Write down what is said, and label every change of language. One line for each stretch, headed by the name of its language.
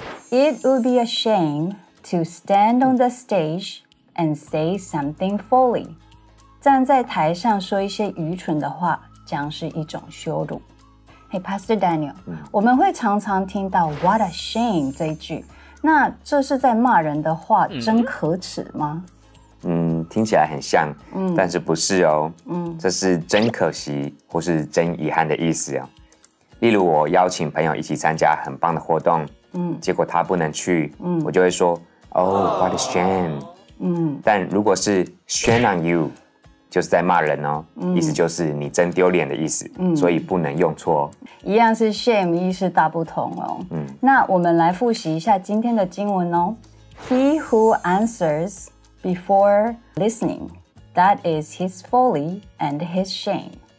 English: It would be a shame to stand on the stage and say something folly.
Chinese: 站在台上说一些愚蠢的话，将是一种羞辱。 Hey, Pastor Daniel,我们会常常听到
English: "What a shame"
Chinese: 这一句，那这是在骂人的话，真可耻吗？听起来很像，但是不是哦。这是真可惜或是真遗憾的意思哦。例如我邀请朋友一起参加很棒的活动，结果他不能去，我就会说
English: Oh, what a shame.
Chinese: 但如果是
English: shame on you,
Chinese: 就是在骂人哦，意思就是你真丢脸的意思，所以不能用错哦。一样是 shame, 意思大不同哦。那我们来复习一下今天的经文哦。
English: He who answers,Before listening, that is his folly and his shame.